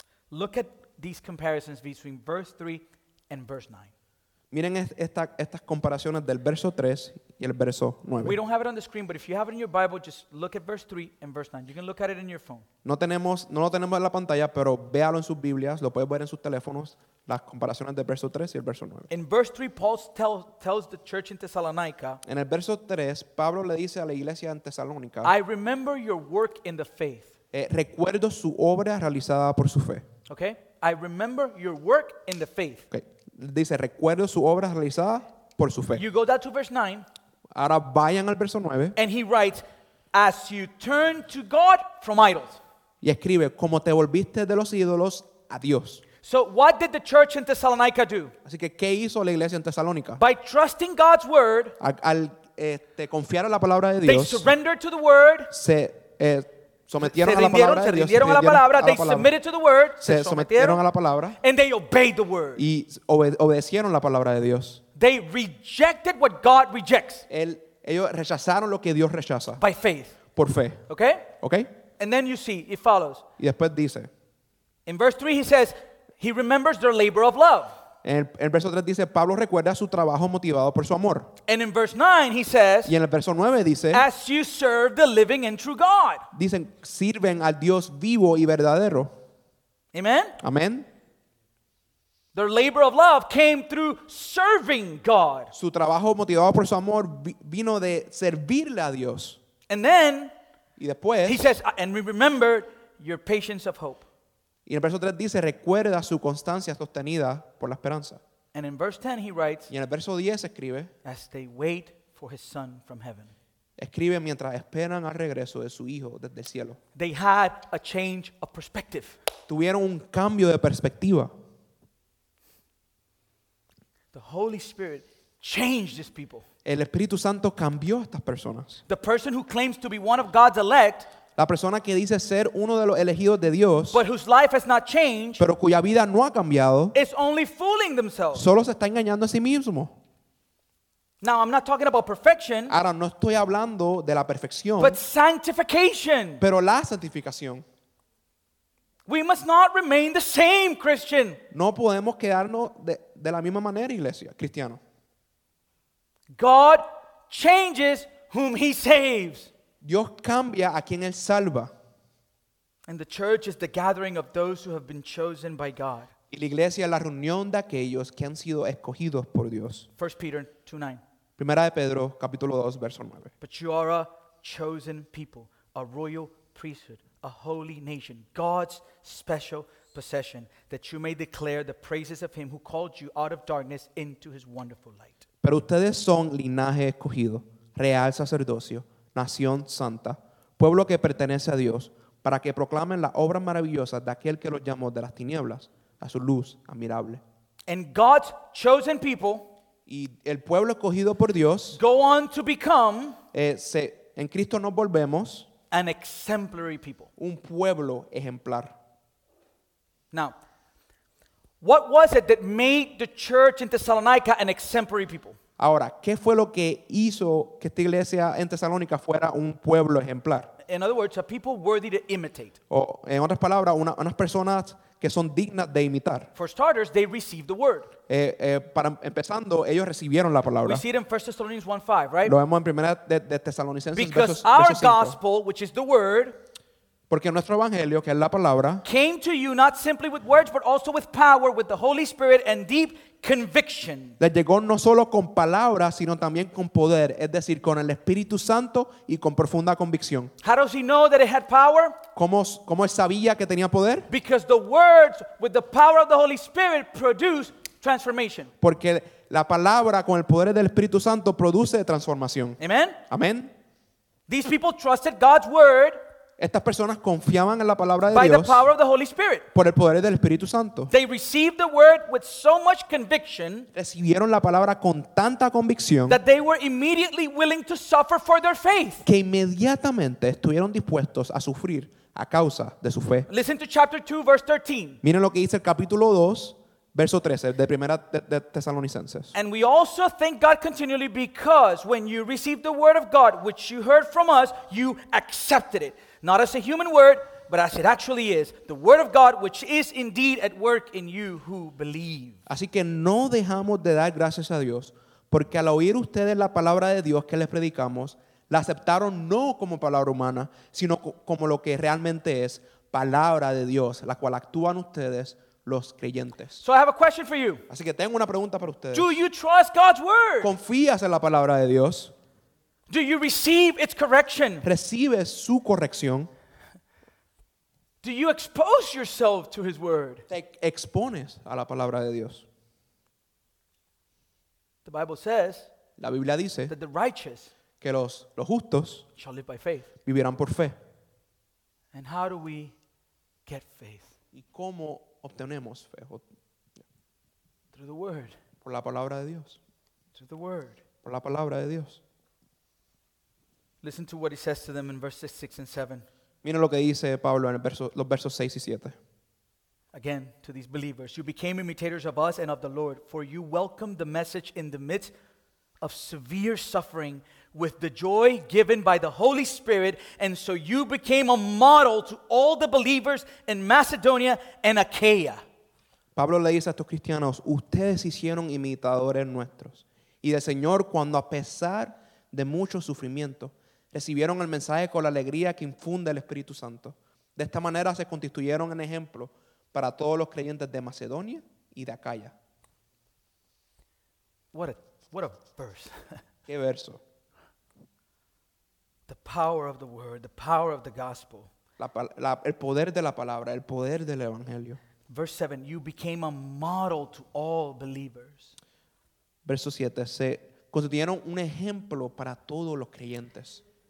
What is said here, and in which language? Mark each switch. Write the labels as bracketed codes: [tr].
[en] Look at these comparisons between verse 3 and verse 9. [es] Miren estas comparaciones del verso 3 y el verso 9. [en] We don't have it on the screen, but if you have it in your Bible, just look at verse 3 and verse 9. You can look at it in your phone. [es] No lo tenemos en la pantalla, pero véalo en sus Biblias. Lo puedes ver en sus teléfonos, las comparaciones del verso 3 y el verso 9. [en] In verse 3, Paul tells the church in Thessalonica. [es] En el verso 3, Pablo le dice a la iglesia en Tesalónica. [en] I remember your work in the faith. [es] Recuerdo su obra realizada por su fe. [en] Okay? I remember your work in the faith. Okay. [es] Dice, recuerdo su obra realizada por su fe. [en] You go down to verse 9. [es] Ahora vayan al verso 9. [en] And he writes, as you turn to God from idols. [es] Y escribe, como te volviste de los ídolos a Dios. [en] So what did the church in Thessalonica do? [es] Así que, ¿qué hizo la iglesia en Tesalónica? [en] By trusting God's word. [es] Al confiar en la palabra de Dios. [en] They surrendered to the word. [es] Se sometieron a la palabra de Dios. [en] And they obeyed the word. [es] Y obedecieron la palabra de Dios. [en] They rejected what God rejects. [es] Ellos rechazaron lo que Dios rechaza. [en] By faith. [es] Por fe. [en] Okay? Okay? And then you see, it follows. [es] Y después dice. [en] In verse 3 he says, he remembers their labor of love. [es] En verso 3 dice, Pablo recuerda su trabajo motivado por su amor. [en] And in verse 9 he says, [es] y en el verso 9 dice, [en] as you serve the living and true God. [es] Dicen, sirven al Dios vivo y verdadero. [en] Amen. [es] Amen. [en] Their labor of love came through serving God. [es] Su trabajo motivado por su amor vino de servirle a Dios. [en] And then, [es] y después, [en] he says, and we remember your patience of hope. [es] Y en el verso 3 dice, recuerda su constancia sostenida por la esperanza. [en] And in verse 10 he writes, [es] y en el verso 10 escribe, [en] as they wait for his son from heaven. [es] Escribe mientras esperan al regreso de su hijo desde el cielo. [en] They had a change of perspective. [es] Tuvieron un cambio de perspectiva. [en] The Holy Spirit changed these people. [es] El Espíritu Santo cambió a estas personas. [en] The person who claims to be one of God's elect, [es] la persona que dice ser uno de los elegidos de Dios, [en] but whose life has not changed, [es] pero cuya vida no ha cambiado, [en] is only fooling themselves. [es] Solo se está engañando a sí mismo. [en] Now I'm not talking about perfection. [es] Ahora no estoy hablando de la perfección, [en] but sanctification. [es] Pero la santificación. [en] We must not remain the same, Christian. [es] No podemos quedarnos de la misma manera, iglesia, cristiano. [en] God changes whom he saves. [es] Dios cambia a quien él salva. [en] And the church is the gathering of those who have been chosen by God. [es] Y la iglesia es la reunión de aquellos que han sido escogidos por Dios. [en] 1 Peter 2:9. [es] Primera de Pedro, capítulo 2, verso 9. [en] But you are a chosen people, a royal priesthood, a holy nation, God's special possession, that you may declare the praises of him who called you out of darkness into his wonderful light. [es] Pero ustedes son linaje escogido, real sacerdocio, nación santa, pueblo que pertenece a Dios, para que proclamen las obras maravillosas de aquel que los llamó de las tinieblas a su luz admirable. [en] And God's chosen people, [es] y el pueblo escogido por Dios, [en] go on to become, [es] en Cristo nos volvemos, [en] an exemplary people. [es] Un pueblo ejemplar. [en] Now, what was it that made the church in Thessalonica an exemplary people? [es] Ahora, ¿qué fue lo que hizo que esta iglesia en Tesalónica fuera un pueblo ejemplar? [en] In other words, a people worthy to imitate. [es] O, en otras palabras, unas personas que son dignas de imitar. [en] For starters, they received the word. [es] Para empezando, ellos recibieron la palabra. [en] We see it in 1 Thessalonians 1:5, right? [es] Lo vemos en primera de Tesalonicenses [en] 5. Because our gospel, which is the word, [es] porque nuestro evangelio, que es la palabra, [en] came to you not simply with words, but also with power, with the Holy Spirit and deep conviction. [es] Les llegó no solo con palabras, sino también con poder, es decir, con el Espíritu Santo y con profunda convicción. [en] How does he know that it had power? [es] ¿Cómo él sabía que tenía poder? [en] Because the words with the power of the Holy Spirit produce transformation. [es] Porque la palabra con el poder del Espíritu Santo produce transformación. [en] Amen. [es] Amen. [en] These people trusted God's word. [es] Estas personas confiaban en la palabra de [en] By [es] Dios [en] the power of the Holy Spirit. [es] Por el poder del Espíritu Santo. [en] They received the word with so much conviction, [es] recibieron la palabra con tanta convicción, [en] that they were immediately willing to suffer for their faith. [es] Que inmediatamente estuvieron dispuestos a sufrir a causa de su fe. [en] Listen to chapter 2, verse 13. [es] Miren lo que dice el capítulo 2, verso 13 de primera de Tesalonicenses. [en] And we also thank God continually because when you received the word of God which you heard from us, you accepted it. Not as a human word, but as it actually is, the word of God, which is indeed at work in you who believe. [es] Así que no dejamos de dar gracias a Dios, porque al oír ustedes la palabra de Dios que les predicamos, la aceptaron no como palabra humana, sino como lo que realmente es, palabra de Dios, la cual actúan ustedes, los creyentes. [en] So I have a question for you. [es] Así que tengo una pregunta para ustedes. [en] Do you trust God's word? [es] ¿Confías en la palabra de Dios? [en] Do you receive its correction? [es] ¿Recibes su corrección? [en] Do you expose yourself to his word? [es] ¿Te expones a la palabra de Dios? [en] The Bible says, [es] la Biblia dice, [en] that the righteous [es] que los justos [en] shall live by faith. [es] Vivirán por fe. [en] And how do we get faith? [es] ¿Y cómo obtenemos fe? [en] Through the word. [es] Por la palabra de Dios. [en] Through the word. [es] Por la palabra de Dios. [en] Listen to what he says to them in verses 6 and 7. [es] Miren lo que dice Pablo en los versos 6 y 7. [en] Again, to these believers, you became imitators of us and of the Lord, for you welcomed the message in the midst of severe suffering with the joy given by the Holy Spirit, and so you became a model to all the believers in Macedonia and Achaia. [es] Pablo le dice a estos cristianos, ustedes hicieron imitadores nuestros y del Señor cuando a pesar de mucho sufrimiento recibieron el mensaje con la alegría que infunde el Espíritu Santo. De esta manera se constituyeron en ejemplo para todos los creyentes de Macedonia y de Acaya. [en] What a verse. [es] ¿Qué verso? [en] The power of the word, the power of the gospel. [es] El poder de la palabra, el poder del evangelio. [en] Verse 7, you became a model to all believers. [es] Verso 7, se constituyeron un ejemplo para todos los creyentes.